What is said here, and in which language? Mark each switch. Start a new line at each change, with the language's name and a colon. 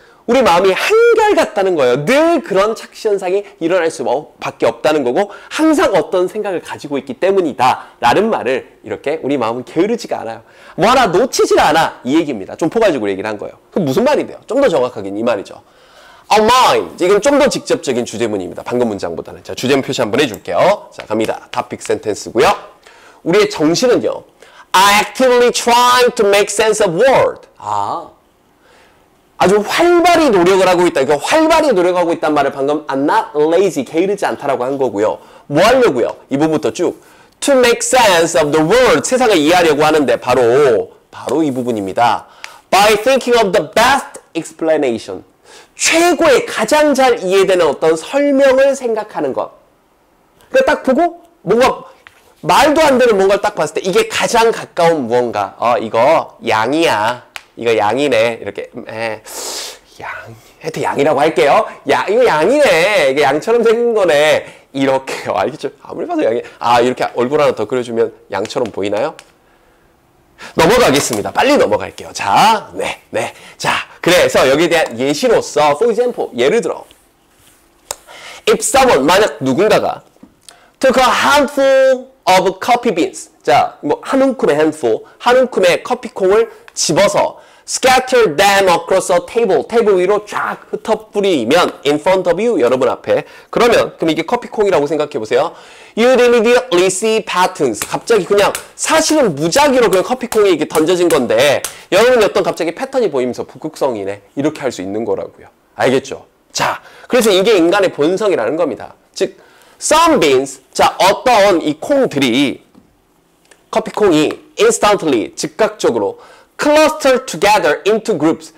Korean: 우리 마음이 한결같다는 거예요. 늘 그런 착시현상이 일어날 수밖에 없다는 거고 항상 어떤 생각을 가지고 있기 때문이다 라는 말을, 이렇게 우리 마음은 게으르지가 않아요. 뭐 하나 놓치질 않아, 이 얘기입니다. 좀 포괄적으로 얘기를 한 거예요. 그럼 무슨 말인데요? 좀 더 정확하게는 이 말이죠.
English: A mind.
Korean: 이건 좀 더 직접적인 주제문입니다. 방금 문장보다는. 자, 주제문 표시 한번 해줄게요. 자, 갑니다.
English: Topic sentence고요.
Korean: 우리의 정신은요,
English: I actively trying to make sense of world.
Korean: 아주 활발히 노력을 하고 있다. 그러니까 활발히 노력하고 있단 말을 방금
English: I'm not lazy,
Korean: 게으르지 않다라고 한 거고요. 뭐 하려고요? 이 부분부터 쭉.
English: To make sense of the world,
Korean: 세상을 이해하려고 하는데 바로 이 부분입니다.
English: By thinking of the best explanation.
Korean: 최고의, 가장 잘 이해되는 어떤 설명을 생각하는 것. 그러니까 딱 보고 뭔가 말도 안 되는 뭔가를 딱 봤을 때 이게 가장 가까운 무언가. 이거 양이야. 이거 양이네. 이렇게, 양. 하여튼 양이라고 할게요. 양, 이거 양이네. 이게 양처럼 생긴 거네. 이렇게요. 알겠죠? 아무리 봐도 양이. 이렇게 얼굴 하나 더 그려주면 양처럼 보이나요? 넘어가겠습니다. 빨리 넘어갈게요. 자, 네, 네. 자, 그래서 여기에 대한 예시로서,
English: for example,
Korean: 예를 들어.
English: If someone,
Korean: 만약 누군가가
English: took a handful of coffee beans.
Korean: 자, 뭐, 한 움큼의 handful. 한 움큼의 커피콩을 집어서
English: scatter them across a table,
Korean: 테이블 위로 쫙 흩어뿌리면
English: in front of you,
Korean: 여러분 앞에. 그러면, 그럼 이게 커피콩이라고 생각해보세요.
English: You'd immediately see patterns.
Korean: 갑자기 그냥 사실은 무작위로 그냥 커피콩이 이렇게 던져진 건데 여러분이 어떤 갑자기 패턴이 보이면서 북극성이네, 이렇게 할 수 있는 거라고요. 알겠죠? 자, 그래서 이게 인간의 본성이라는 겁니다. 즉,
English: some beans,
Korean: 자, 어떤 이 콩들이, 커피콩이 instantly, 즉각적으로
English: cluster together into groups.